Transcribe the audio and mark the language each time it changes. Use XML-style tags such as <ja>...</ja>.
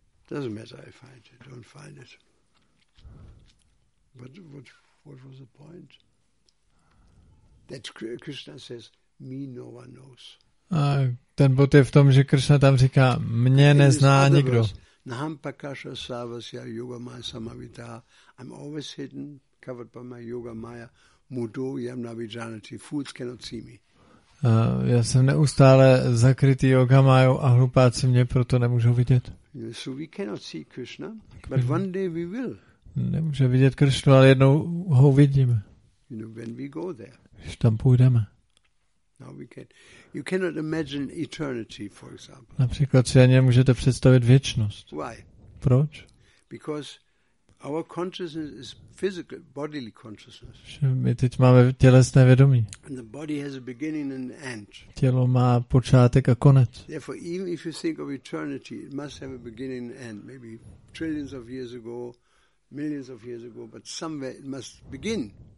<en>Doesn't matter. I find it. Don't find it. But what? What was the point? That Krishna says, "Me, no one knows."</en> <cs>Ten bod je v tom, že Krishna tam říká, mě nezná nikdo.</cs> <sa>Naham pakasha savasya yoga maya samavita.</sa> <en>I'm always hidden, covered by my yoga maya.</en> <sa>Mudo yam navijanati.</sa> <en>Fools cannot see me.</en> <cs>Já jsem neustále zakrytý yoga mayou a hlupáci mě proto nemůžou vidět.</cs> <en>So we cannot see Krishna, but one day we will.</en> <cs>Nemůže vidět Krishnu, ale jednou ho uvidíme.</cs> <en>You know, when we go there.</en> <cs>Když tam půjdeme.</cs> <en>Now we can. You cannot imagine eternity, for example.</en> <cs>Například si ani nemůžete představit věčnost.</cs> <en>Why?</en> <cs>Proč?</cs> <en>Because Our consciousness is physical, bodily consciousness.</en> <cs>My teď máme tělesné vědomí.</cs> <en>And the body has a beginning and end.</en> <cs>Tělo má počátek a konec.</cs> <en>Therefore, even if you think of eternity, it must have a beginning and end. Maybe trillions of years ago, millions of years ago, but somewhere it must begin.</en>